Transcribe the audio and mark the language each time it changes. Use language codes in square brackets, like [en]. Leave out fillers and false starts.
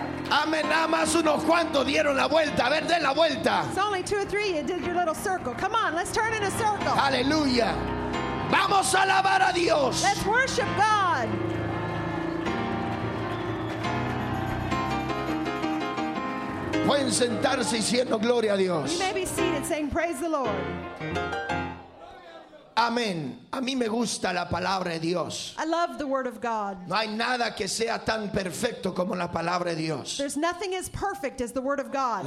[es] Amén, nada más unos cuantos dieron la vuelta. A ver, den la vuelta. [en] It's only two or three, you did your little circle. Come on, let's turn in a circle. [es] Aleluya. Vamos a alabar a Dios. [en] Let's worship God. [es] Pueden sentarse diciendo gloria a Dios. [en] You may be seated saying praise the Lord. [es] Amén. A mí me gusta la palabra de Dios. [en] I love the word of God. [es] No hay nada que sea tan perfecto como la palabra de Dios. [en] There's nothing as perfect as the word of God.